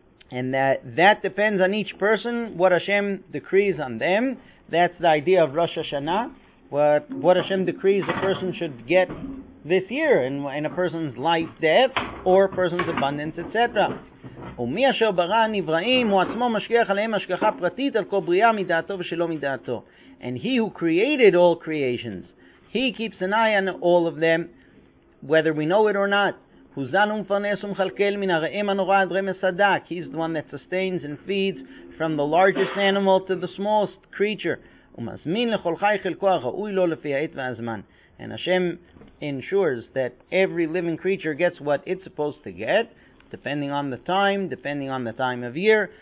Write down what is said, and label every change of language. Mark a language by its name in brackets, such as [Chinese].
[English] And that depends on each person, what Hashem decrees on them. That's the idea of Rosh Hashanah. What Hashem decrees a person should get this year in a person's life, death, or a person's abundance, etc. [Hebrew] ומי אשר ברא נבראים הוא עצמו משגיח עליהם השגחה פרטית על כל בריאה מדעתו ושלא מדעתו. [English] And he who created all creations, he keeps an eye on all of them, whether we know it or not. [Hebrew] הוזן ומפרנס ומחלקל מן הרעים הנורא עד רמס הדק. [English] He's the one that sustains and feeds from the largest animal to the smallest creature. [Hebrew] ומזמין לכל חי חלקו הראוי לו לפי העת והזמן. [English] And Hashem ensures that every living creature gets what it's supposed to get, depending on the time, depending on the time of year.